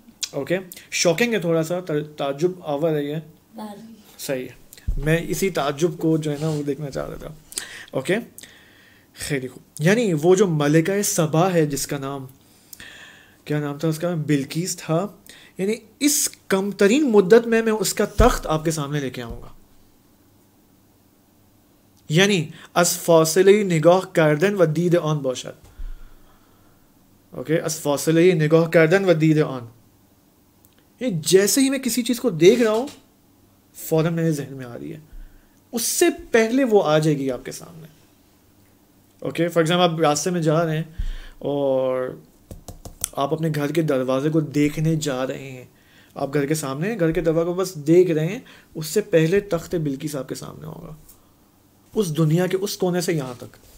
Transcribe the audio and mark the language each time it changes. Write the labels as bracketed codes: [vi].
[ur] Okay shocking ہے تھوڑا سا، تعجب آور رہی ہے، صحیح ہے، میں اسی تعجب کو جو ہے نا وہ دیکھنا چاہ رہا تھا. اوکے خیری خوب. یعنی وہ جو ملکہ سبا ہے جس کا نام، کیا نام تھا اس کا، بلقیس تھا، یعنی اس کم ترین مدت میں میں اس کا تخت آپ کے سامنے لے کے آؤں گا. [fa] یعنی از فاصلہ نگاہ کردن و دید آن باشد. [ur] اوکے [fa] از فاصلہ نگاہ کردن و دید آن، [ur] یعنی جیسے ہی میں کسی چیز کو دیکھ رہا ہوں فوراً میرے ذہن میں آ رہی ہے، اس سے پہلے وہ آ جائے گی آپ کے سامنے. اوکے [en] for example [ur] آپ راستے میں جا رہے ہیں اور آپ اپنے گھر کے دروازے کو دیکھنے جا رہے ہیں، آپ گھر کے سامنے گھر کے دروازے کو بس دیکھ رہے ہیں، اس سے پہلے تخت بلقیس آپ کے سامنے ہوگا، اس دنیا کے اس کونے سے یہاں تک.